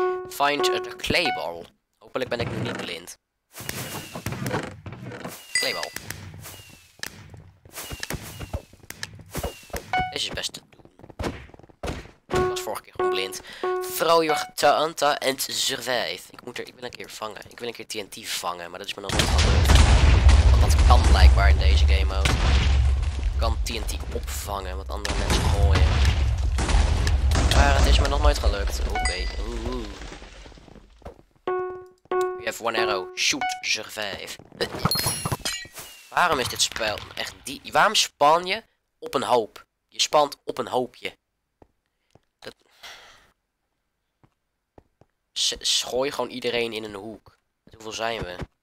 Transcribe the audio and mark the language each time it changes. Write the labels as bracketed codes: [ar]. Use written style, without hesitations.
[en] Find a clayball. [nl] Hopelijk ben ik nu niet blind. [en] Clayball. [nl] Deze is best te doen. Ik was vorige keer gewoon blind. [en] Throw your Taanta and survive. [nl] Ik wil een keer vangen. Ik wil een keer TNT vangen, maar dat is me nog niet gelukt. Want dat kan blijkbaar in deze game ook. Ik kan TNT opvangen, wat andere mensen gooien. Maar het is me nog nooit gelukt. Oké. [en] Have one arrow, shoot, survive. [nl] Waarom is dit spel echt die... Waarom span je op een hoop? Je spant op een hoopje. Gooi gewoon iedereen in een hoek. Met hoeveel zijn we?